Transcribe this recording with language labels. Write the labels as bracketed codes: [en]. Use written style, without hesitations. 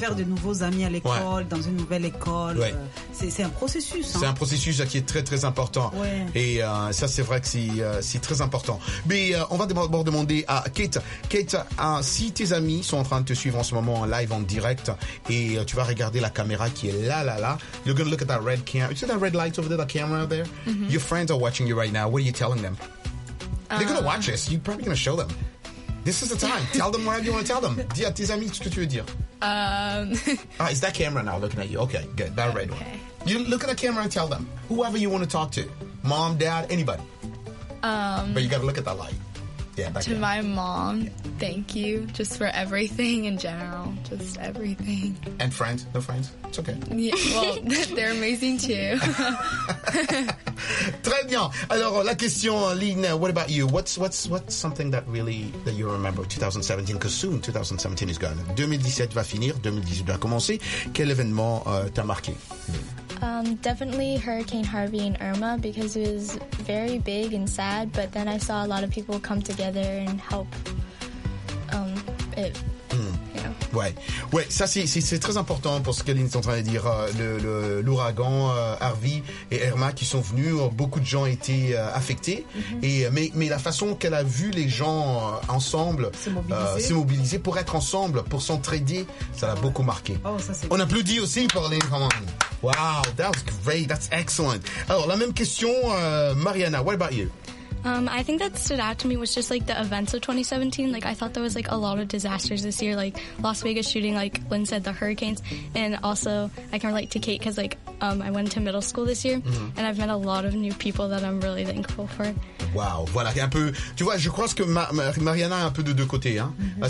[fr] Faire de nouveaux amis à l'école, ouais. Dans une nouvelle école. Ouais. C'est un processus. Hein. C'est un processus qui est très, très important. Ouais. Et ça, c'est vrai que c'est très important. Mais on va d'abord demander à Kate. Kate, si tes amis sont en train de te suivre en ce moment en live, en direct, et tu vas regarder la caméra qui est là. [en] You're going to look at that red camera. You see that red light over there, that camera there? Mm-hmm. Your friends are watching you right now. What are you telling them? They're gonna watch this. You're probably gonna show them. This is the time. Tell them whatever you want to tell them. [fr] Dis à tes amis ce que tu veux dire. [en] Ah, is that camera now looking at you? Okay, good. That red one. You look at the camera and tell them. Whoever you want to talk to. Mom, dad, anybody. But you gotta look at that light. Yeah, to my mom, thank you just for everything in general. Just everything. And friends? No friends? It's okay. Yeah, well, they're amazing too. [fr] Très bien. Alors, la question, [en] Lynn, what about you? What's something that really, that you remember 2017? Because soon, 2017 is gone. [fr] 2017 va finir, 2018 va commencer. Quel événement t'a marqué? [en] Definitely Hurricane Harvey and Irma, because it was very big and sad, but then I saw a lot of people come together and help it. [fr] Ouais, ouais, ça c'est très important pour ce que Lynn est en train de dire. L'ouragan Harvey et Irma qui sont venus, beaucoup de gens étaient affectés. Mm-hmm. Et mais la façon qu'elle a vu les gens ensemble, se mobiliser pour être ensemble, pour s'entraider, ça l'a beaucoup marqué. Oh, ça c'est. On applaudit aussi pour Lynn. [en] Come on. Wow, that was great. That's excellent. [fr] Alors la même question, Mariana. [en] What about you? I think that stood out to me was just like the events of 2017. Like I thought there was like a lot of disasters this year, like Las Vegas shooting, like Lynn said, the hurricanes, and also I can relate to Kate because like I went to middle school this year, mm-hmm. and I've met a lot of new people that I'm really thankful for. [fr] Wow, voilà, un peu. Tu vois, je crois que Mariana a un peu de deux côtés, hein, mm-hmm.